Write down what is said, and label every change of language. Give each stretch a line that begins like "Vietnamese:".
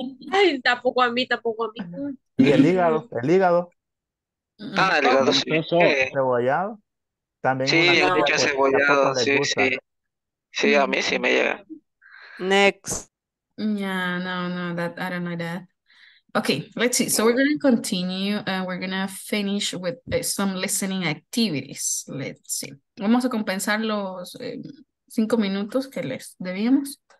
Spanish: Ay, tampoco a mí. Y el hígado. Ah, el hígado, sí. Eso, cebollado. También sí, yo he dicho cebollado, sí, sí. Sí, a mí sí me llega.
English: Next. Yeah, no, that I don't know that. Okay, let's see. So we're going to continue and we're going to finish with some listening activities. Let's see.
Spanish: Vamos a compensar los 5 minutos que les debíamos.